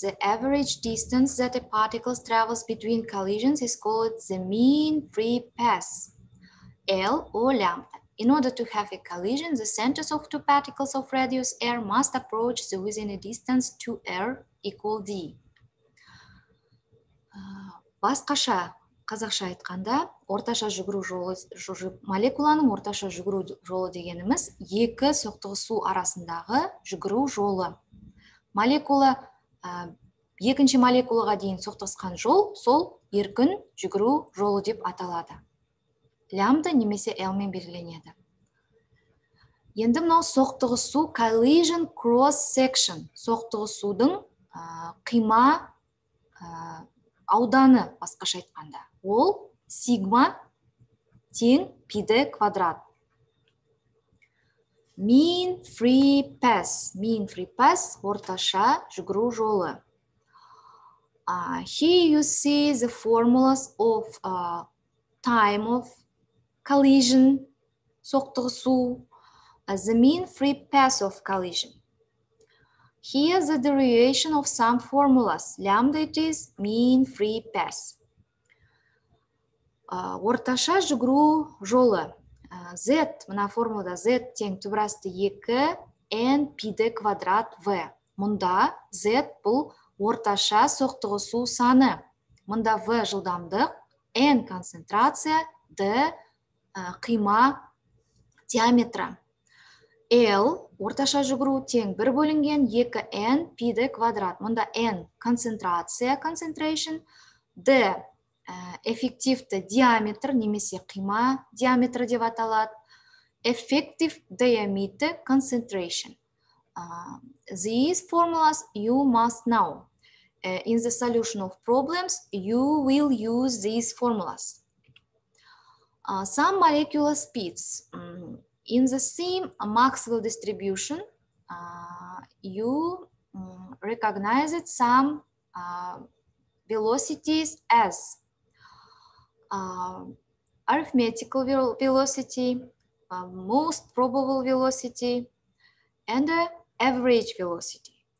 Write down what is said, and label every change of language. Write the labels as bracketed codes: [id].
[en] The average distance that a particle travels between collisions is called the mean free pass, L or lambda. In order to have a collision, the centers of two particles of radius r must approach the within a distance 2r equal d. [kk] Басқаша қазақша айтқанда, орташа жүгіру жолы, молекуланың орташа жүгіру жолы дегеніміз екі соқтығысу арасындағы жүгіру жолы. Молекула екінші молекулаға дейін соқтығысқан жол сол еркін жүгіру жолы деп аталады. Лямбда немесе L-мен белгіленеді. Енді мынау соқтығысу [en] collision cross section. [kk] Соқтығысудың қима ауданы басқаша айтқанда. Ол сигма тең пиді квадрат. [en] Mean free pass. Mean free pass [kk] орташа жүгіру жолы. [en] Here you see the formulas of time of collision, соқтығысу, the mean free pass of collision. Here the derivation of some formulas. Lambda it is mean free pass. [kk] Орташа жүгіру жолы. Z, мына формулада Z тең түбірасты 2, N пиді квадрат V. Мұнда Z бұл орташа соқтығысу саны. Мұнда V жылдамдық, N концентрация, D қима диаметра. L орташа жүгіру тең бір бөлінген 2n пиді квадрат. Мұнда n концентрация concentration, d эффективті диаметр немесе қима диаметрі деп аталады. [en] Effective diameter concentration. These formulas you must know. In the solution of problems you will use these formulas. Some molecular speeds. In the same Maxwell distribution, you recognize it some velocities as arithmetical velocity, most probable velocity, and average velocity.